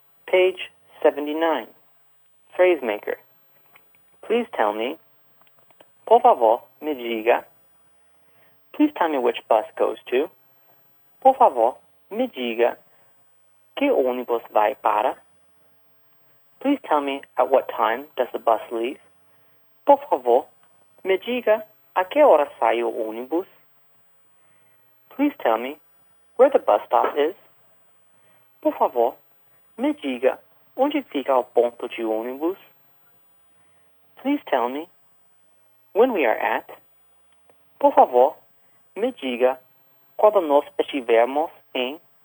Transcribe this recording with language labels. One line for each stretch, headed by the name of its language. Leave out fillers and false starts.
English: Page 79. Phrase maker. Please tell me.
Portuguese: Por favor, me diga.
English: Please tell me which bus goes to.
Portuguese: Por favor, me diga. Que ônibus vai para?
English: Please tell me at what time does the bus leave.
Portuguese: Por favor, me diga a que hora sai o ônibus.
English: Please tell me where the bus stop is.
Portuguese: Por favor, me diga onde fica o ponto de ônibus.
English: Please tell me when we are at.
Portuguese: Por favor, me diga quando nós estivermos em.